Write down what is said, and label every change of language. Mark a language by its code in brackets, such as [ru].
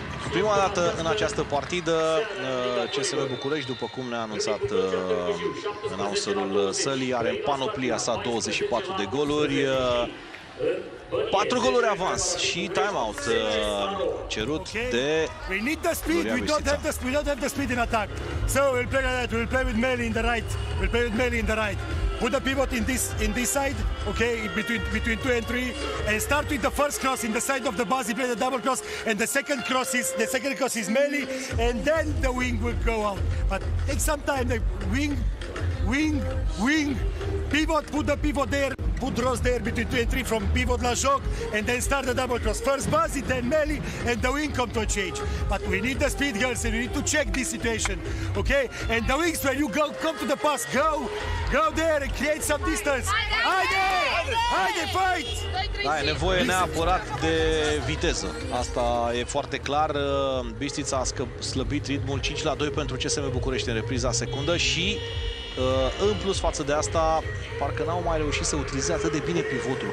[ro] Prima dată în această partidă CSM București, după cum ne-a anunțat announcerul sălii, are în panoplia sa 24 de goluri, 4 goluri avans și timeout cerut de [en] Gloria Bistrița. We don't have the speed in attack. So we'll play with Meli in the right. Put the pivot in this side, okay, between 2 and 3, and start with the first cross in the side of the bus. He played the double cross, and the second cross is Meli, and then the wing will go out. But take some time. The wing, pivot. Put the pivot there. Put Ross there between 2 and 3 from pivot [ro] la joc, [en] and then start the double cross. First Bazi, then Meli, and the wing come to a change. But we need the speed, girls, and we need to check this situation, okay? And the wings, when you go, come to the pass, go there and create some distance. [ro] Haide, [en] fight! [ro] Da, e nevoie neapărat de viteză. Asta e foarte clar. Bistrița a slăbit ritmul, 5-2 pentru CSM București în repriza secundă și... în plus față de asta, parcă n-au mai reușit să utilizeze atât de bine pivotul.